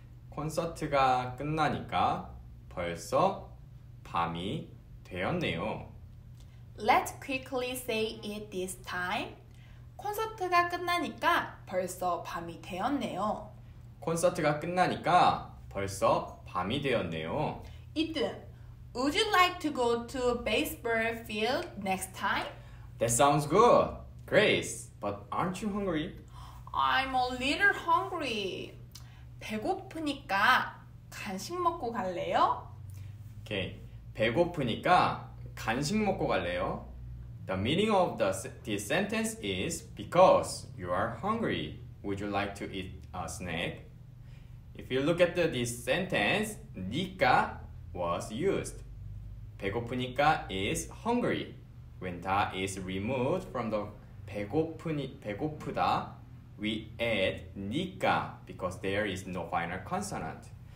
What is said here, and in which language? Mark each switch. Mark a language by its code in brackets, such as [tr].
[ko] 콘서트가 끝나니까 벌써 밤이 되었네요. [en] Let's quickly say it this time. [ko] 콘서트가 끝나니까 벌써 밤이 되었네요. 콘서트가 끝나니까 벌써 밤이 되었네요. [en] 이든, would you like to go to baseball field next time? That sounds good. Grace, but aren't you hungry? I'm a little hungry. [ko] 배고프니까 간식 먹고 갈래요? [en] Okay, [ko] 배고프니까 간식 먹고 갈래요? [en] The meaning of this sentence is because you are hungry. Would you like to eat a snack? If you look at this sentence, 니까 was used. 배고프니까 is hungry. When 다 is removed from the 배고프다, we add 니까 because there is no final consonant.